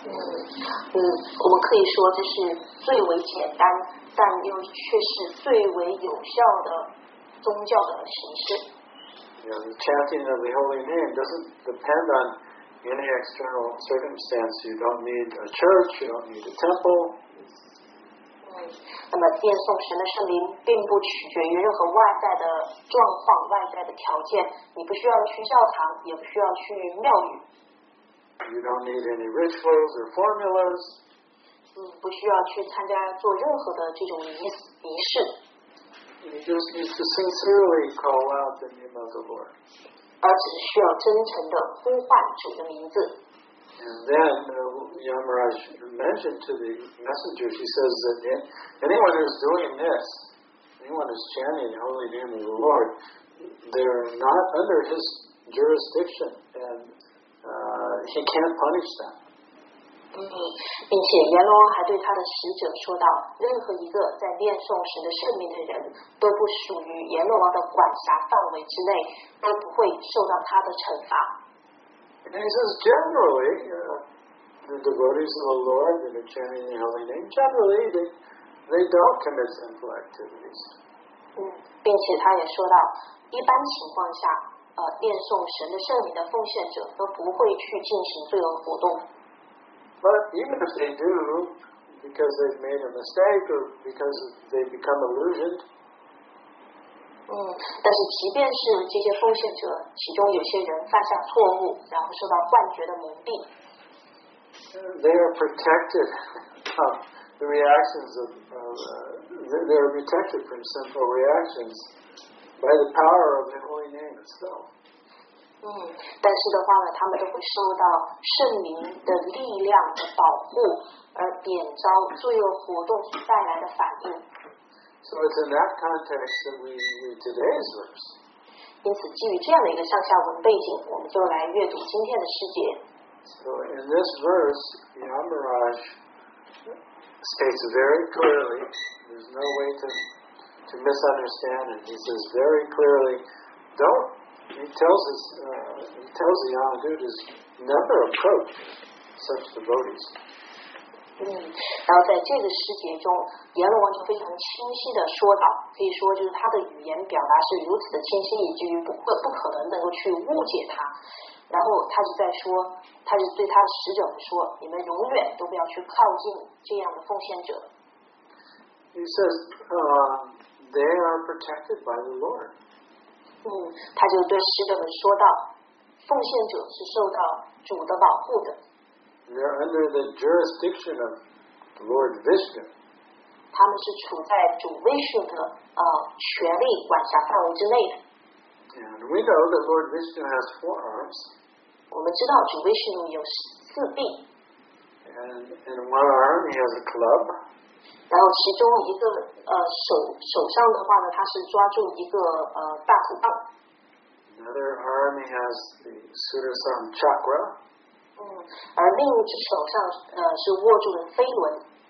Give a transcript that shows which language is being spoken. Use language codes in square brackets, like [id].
[zh] 我们可以说这是最为简单，但又却是最为有效的宗教的形式。 [en] You know, the chanting of the holy name doesn't depend on any external circumstance. You don't need a church, you don't need a temple. [zh] 那么念诵神的圣灵并不取决于任何外在的状况、外在的条件。你不需要去教堂，也不需要去庙宇。 [en] You don't need any rituals or formulas. [zh] 不需要去参加做任何的这种仪式。 [en] You just need to sincerely call out the name of the Lord. [zh] 而只需要真诚地呼唤主的名字。 [en] And then Yamaraj mentioned to the messengers, he says that anyone who's doing this, anyone who's chanting the holy name of the Lord, they're not under his jurisdiction, and he can't punish them. [zh] 并且阎罗王还对他的使者说道，任何一个在念诵神的圣名的人都不属于阎罗王的管辖范围之内，都不会受到他的惩罚。 [en] And he says generally the devotees of the Lord that are chanting the holy name generally they don't commit sinful activities. [zh] 并且他也说到，一般情况下念诵神的圣名的奉献者都不会去进行罪恶活动。 [en] But even if they do, because they've made a mistake or because they become illusioned, [zh] 但是即便是这些奉献者，其中有些人犯下错误，然后受到幻觉的蒙蔽， [en] they are protected from the reactions of, they are protected from sinful reactions by the power of the holy name itself. [zh] 但是的话呢，他们都会受到圣灵的力量的保护，而点着罪恶活动所带来的反应。 [en] So it's in that context that we read today's verse. [zh] 因此，基于这样的一个上下文背景，我们就来阅读今天的诗节。 [en] So in this verse, Yamaraj states very clearly. There's no way to misunderstand it. He says very clearly, don't. He tells the Yamadutas never approach such devotees. [zh] 然后在这个诗节中，阎罗王就非常清晰的说道，可以说就是他的语言表达是如此的清晰，以至于不可能能够去误解他。然后他就在说，他就对他的使者们说，你们永远都不要去靠近这样的奉献者。 [en] He says, they are protected by the Lord. [zh] 他就对使者们说道，奉献者是受到主的保护的。 [en] They are under the jurisdiction of Lord Vishnu. [zh] 他们是处在主威士的权力管辖范围之内的。 [en] And we know that Lord Vishnu has four arms. [zh] 我们知道主威士有四臂。 [en] And in one arm he has a club. [zh] 然后其中一个手上的话呢，他是抓住一个大鼓棒。 [en] Another arm he has the Sudarshan Chakra. [zh] 而另一只手上是握住了飞轮。